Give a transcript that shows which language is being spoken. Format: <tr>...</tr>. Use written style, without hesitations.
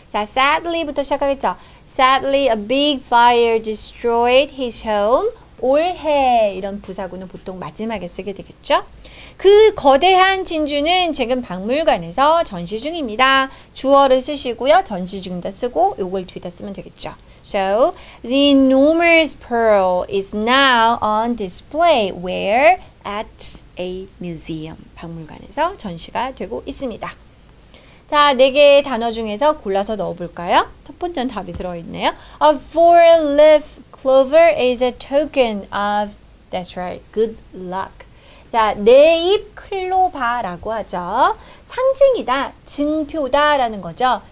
<ko>자, sadly부터 시작하겠죠.</ko> <en>Sadly, a big fire destroyed his home.</en> <ko>올해, 이런 부사구는 보통 마지막에 쓰게 되겠죠. 그 거대한 진주는 지금 박물관에서 전시 중입니다. 주어를 쓰시고요. 전시 중이다 쓰고, 요걸 뒤에다 쓰면 되겠죠.</ko> <en>So, the enormous pearl is now on display where? At a museum.</en> <ko>박물관에서 전시가 되고 있습니다. 자, 네 개의 단어 중에서 골라서 넣어볼까요? 첫 번째는 답이 들어있네요.</ko> <en>A four-leaf clover is a token of, that's right, good luck.</en> <ko>자, 네입 클로바라고 하죠. 상징이다, 증표다라는 거죠.</ko>